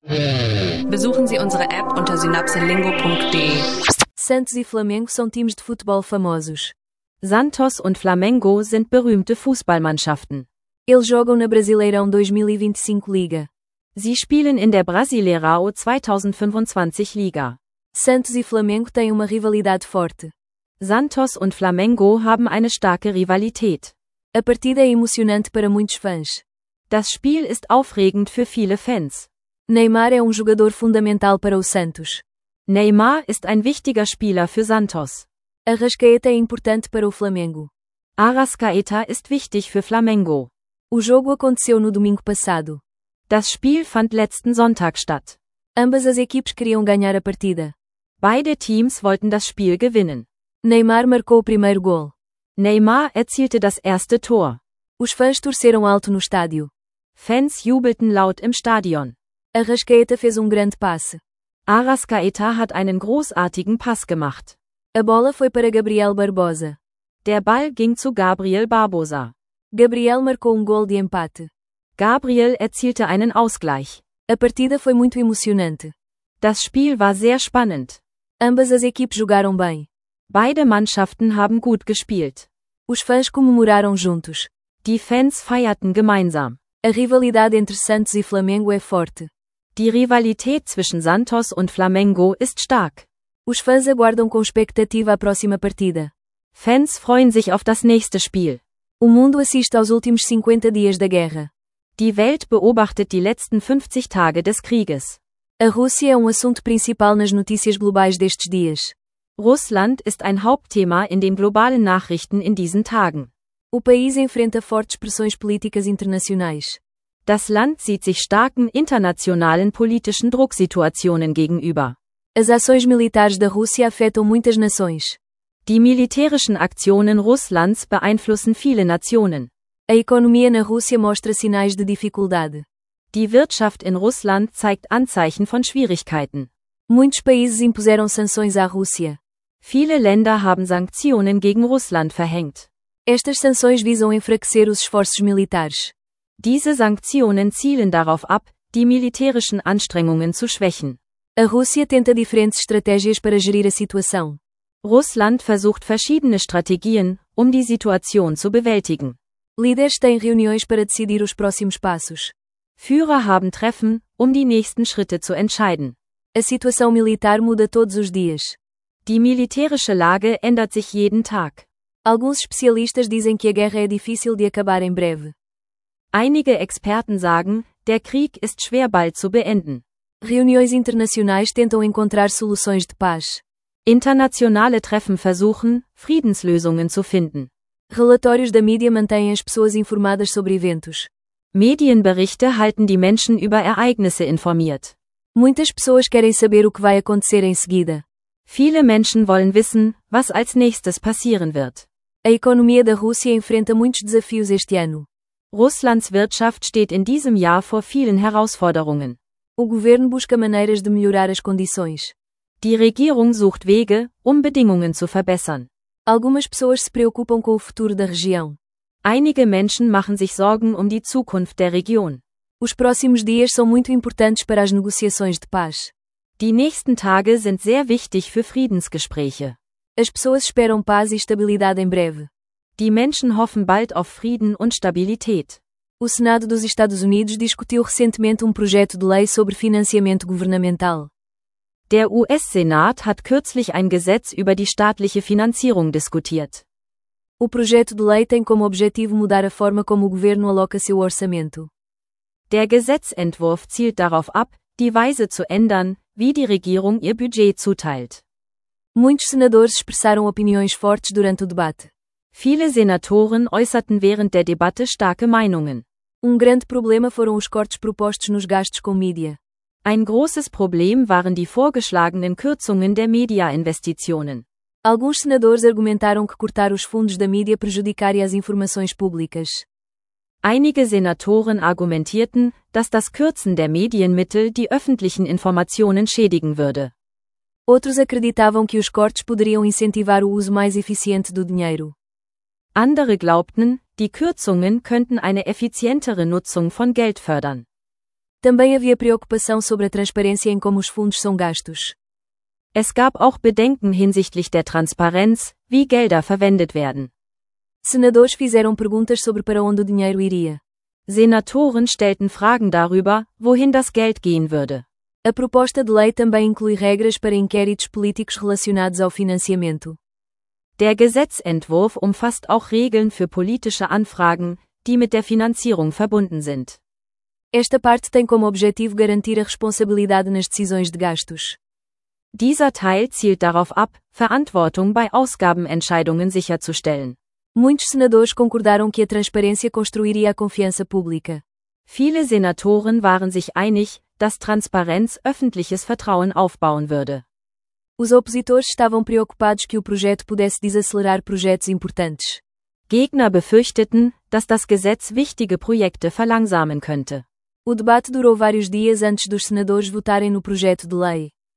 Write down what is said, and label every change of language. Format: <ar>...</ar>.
<de>Besuchen Sie unsere App unter synapselingo.de.</de> <pt>Santos e Flamengo são times de futebol famosos.</pt> <de>Santos und Flamengo sind berühmte Fußballmannschaften.</de> <pt>Eles jogam na Brasileirão 2025 Liga.</pt> <de>Sie spielen in der Brasileirão 2025 Liga.</de> <pt>Santos e Flamengo têm uma rivalidade forte.</pt> <de>Santos und Flamengo haben eine starke Rivalität.</de> <pt>A partida é emocionante para muitos fãs.</pt> <de>Das Spiel ist aufregend für viele Fans.</de> <pt>Neymar é jogador fundamental para o Santos.</pt> <de>Neymar ist ein wichtiger Spieler für Santos.</de> <pt>Arrascaeta é importante para o Flamengo.</pt> <de>Arrascaeta ist wichtig für Flamengo.</de> <pt>O jogo aconteceu no domingo passado.</pt> <de>Das Spiel fand letzten Sonntag statt.</de> <pt>Ambas as equipes queriam ganhar a partida.</pt> <de>Beide Teams wollten das Spiel gewinnen.</de> <pt>Neymar marcou o primeiro gol.</pt> <de>Neymar erzielte das erste Tor.</de> <pt>Os fãs torceram alto no estádio.</pt> <de>Fans jubelten laut im Stadion.</de> <pt>Arrascaeta fez grande passe.</pt> <de>Arrascaeta hat einen großartigen Pass gemacht.</de> <pt>A bola foi para Gabriel Barbosa.</pt> <de>Der Ball ging zu Gabriel Barbosa.</de> <pt>Gabriel marcou gol de empate.</pt> <de>Gabriel erzielte einen Ausgleich.</de> <pt>A partida foi muito emocionante.</pt> <de>Das Spiel war sehr spannend.</de> <pt>Ambas as equipes jogaram bem.</pt> <de>Beide Mannschaften haben gut gespielt.</de> <pt>Os fãs comemoraram juntos.</pt> <de>Die Fans feierten gemeinsam.</de> <pt>A rivalidade entre Santos e Flamengo é forte.</pt> <de>Die Rivalität zwischen Santos und Flamengo ist stark.</de> <pt>Os fãs aguardam com expectativa a próxima partida.</pt> <de>Fans freuen sich auf das nächste Spiel.</de> <pt>O mundo assiste aos últimos 50 dias da guerra.</pt> <de>Die Welt beobachtet die letzten 50 Tage des Krieges.</de> <pt>A Rússia é assunto principal nas notícias globais destes dias.</pt> <de>Russland ist ein Hauptthema in den globalen Nachrichten in diesen Tagen.</de> <pt>O país enfrenta fortes pressões políticas internacionais.</pt> <de>Das Land sieht sich starken internationalen politischen Drucksituationen gegenüber.</de> <pt>As ações militares da Rússia afetam muitas nações.</pt> <de>Die militärischen Aktionen Russlands beeinflussen viele Nationen.</de> <pt>A economia na Rússia mostra sinais de dificuldade.</pt> <de>Die Wirtschaft in Russland zeigt Anzeichen von Schwierigkeiten.</de> <pt>Muitos países impuseram sanções à Rússia.</pt> <de>Viele Länder haben Sanktionen gegen Russland verhängt.</de> <pt>Estas sanções visam enfraquecer os esforços militares.</pt> <de>Diese Sanktionen zielen darauf ab, die militärischen Anstrengungen zu schwächen.</de> <pt>A Rússia tenta diferentes estratégias para gerir a situação.</pt> <de>Russland versucht verschiedene Strategien, die Situation zu bewältigen.</de> <pt>Líderes têm reuniões para decidir os próximos passos.</pt> <de>Führer haben Treffen, die nächsten Schritte zu entscheiden.</de> <pt>A situação militar muda todos os dias.</pt> <de>Die militärische Lage ändert sich jeden Tag.</de> <pt>Alguns especialistas dizem que a guerra é difícil de acabar em breve.</pt> <de>Einige Experten sagen, der Krieg ist schwer bald zu beenden.</de> <pt>Reuniões internacionais tentam encontrar soluções de paz.</pt> <de>Internationale Treffen versuchen, Friedenslösungen zu finden.</de> <pt>Relatórios da mídia mantêm as pessoas informadas sobre eventos.</pt> <de>Medienberichte halten die Menschen über Ereignisse informiert.</de> <pt>Muitas pessoas querem saber o que vai acontecer em seguida.</pt> <de>Viele Menschen wollen wissen, was als nächstes passieren wird.</de> <pt>A economia da Rússia enfrenta muitos desafios este ano.</pt> <de>Russlands Wirtschaft steht in diesem Jahr vor vielen Herausforderungen.</de> <pt>O governo busca maneiras de melhorar as condições.</pt> <de>Die Regierung sucht Wege, Bedingungen zu verbessern.</de> <pt>Algumas pessoas se preocupam com o futuro da região.</pt> <de>Einige Menschen machen sich Sorgen die Zukunft der Region.</de> <pt>Os próximos dias são muito importantes para as negociações de paz.</pt> <de>Die nächsten Tage sind sehr wichtig für Friedensgespräche.</de> <pt>As pessoas esperam paz e estabilidade em breve.</pt> <de>Die Menschen hoffen bald auf Frieden und Stabilität.</de> <pt>O Senado dos Estados Unidos discutiu recentemente projeto de lei sobre financiamento governamental.</pt> <de>Der US-Senat hat kürzlich ein Gesetz über die staatliche Finanzierung diskutiert.</de> <pt>O projeto de lei tem como objetivo mudar a forma como o governo aloca seu orçamento.</pt> <de>Der Gesetzentwurf zielt darauf ab, die Weise zu ändern, wie die Regierung ihr Budget zuteilt.</de> <pt>Muitos senadores expressaram opiniões fortes durante o debate.</pt> <de>Viele Senatoren äußerten während der Debatte starke Meinungen.</de> <pt>Grande problema foram os cortes propostos nos gastos com mídia.</pt> <de>Ein großes Problem waren die vorgeschlagenen Kürzungen der Mediainvestitionen.</de> <pt>Alguns senadores argumentaram que cortar os fundos da mídia prejudicaria as informações públicas.</pt> <de>Einige Senatoren argumentierten, dass das Kürzen der Medienmittel die öffentlichen Informationen schädigen würde.</de> <pt>Outros acreditavam que os cortes poderiam incentivar o uso mais eficiente do dinheiro.</pt> <de>Andere glaubten, die Kürzungen könnten eine effizientere Nutzung von Geld fördern.</de> <pt>Também havia preocupação sobre a transparência em como os fundos são gastos.</pt> <de>Es gab auch Bedenken hinsichtlich der Transparenz, wie Gelder verwendet werden.</de> <pt>Senadores fizeram perguntas sobre para onde o dinheiro iria.</pt> <de>Senatoren stellten Fragen darüber, wohin das Geld gehen würde.</de> <pt>A proposta de lei também inclui regras para inquéritos políticos relacionados ao financiamento.</pt> <de>Der Gesetzentwurf umfasst auch Regeln für politische Anfragen, die mit der Finanzierung verbunden sind.</de> <pt>Esta parte tem como objetivo garantir a responsabilidade nas decisões de gastos.</pt> <de>Dieser Teil zielt darauf ab, Verantwortung bei Ausgabenentscheidungen sicherzustellen.</de> <pt>Muitos senadores concordaram que a transparência construiria a confiança pública.</pt> <de>Viele Senatoren waren sich einig, dass Transparenz öffentliches Vertrauen aufbauen würde.</de> <pt>Os opositores estavam preocupados que o projeto pudesse desacelerar projetos importantes.</pt> <de>Gegner befürchteten, dass das Gesetz wichtige Projekte verlangsamen könnte.</de> <pt>O debate durou vários dias antes dos senadores votarem no projeto de lei.</pt>